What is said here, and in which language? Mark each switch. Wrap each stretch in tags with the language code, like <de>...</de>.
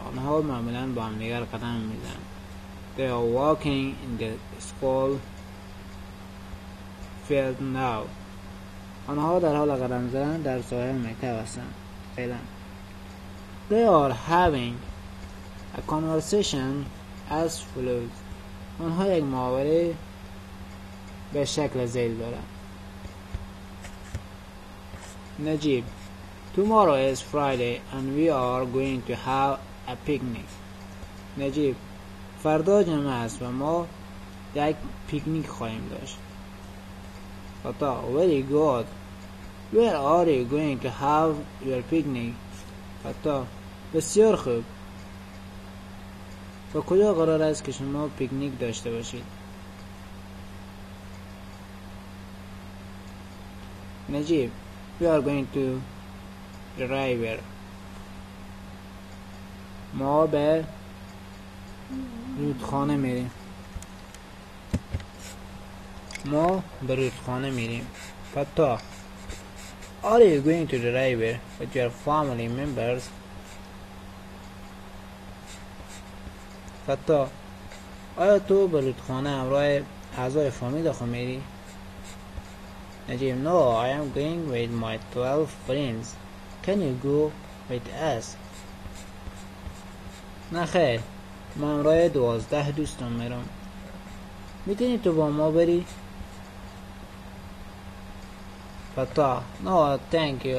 <fa>آنها معمولا با هم دیگر قدم میزنند.</fa> <en>They are walking in the school field now.</en> <fa>آنها در حال قدم زدن در ساحل مکتب هستند.</fa> <en>فعلا. They are having a conversation as follows.</en> <fa>آنها یک محاوره به شکل زیل دارند.</fa> <en>Najib. Tomorrow is Friday and we are going to have a picnic. Najib.</en> <fa>فردا جمعه است و ما یک پیکنیک خواهیم داشت.</fa> <en>خطا. Very good. Where are you going to have your picnic?</en> <fa>خطا. بسیار خوب. با کجا قرار است که شما پیکنیک داشته باشید؟ نجیب.</fa> <en>We are going to the river.</en> <fa>ما به رودخانه میریم. ما به رودخانه میریم. فتا.</fa> <en>Are you going to the river with your family members?</en> <fa>فتا. آیا تو به رودخانه همراه اعضای فامیل خود میری؟ نجیب.</fa> <en>No, I am going with my 12 friends. Can you go with us?</en> <fa>نخیر. من همراه 12 دوستم میرم. میتونی تو با ما بری؟ فتا.</fa> <en>No, thank you.</en>